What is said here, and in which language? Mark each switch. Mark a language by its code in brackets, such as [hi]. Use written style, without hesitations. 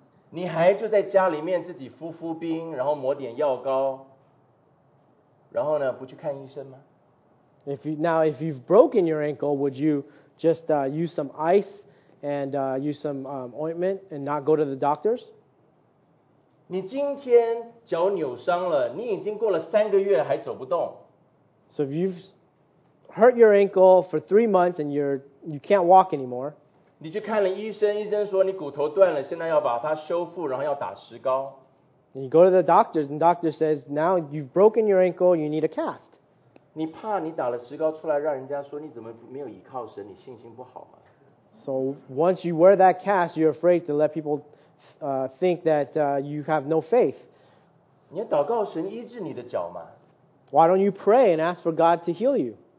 [zh] 你还就在家里面自己敷敷冰，然后抹点药膏，然后呢，不去看医生吗？ [en] If you've broken your ankle, would you just use some ice and use some ointment and not go to the doctors? [zh] 你今天脚扭伤了，你已经过了三个月还走不动。 [en] So if you've hurt your ankle for 3 months and you can't walk anymore. [zh] 你去看了医生，医生说你骨头断了，现在要把它修复，然后要打石膏。 [en] You go to the doctors, and the doctor says now you've broken your ankle, you need a cast. [zh] 你怕你打了石膏出来，让人家说你怎么没有依靠神，你信心不好吗？ [en] So once you wear that cast, you're afraid to let people think that you have no faith. [zh] 你要祷告神医治你的脚嘛？ [en] Why don't you pray and ask for God to heal you?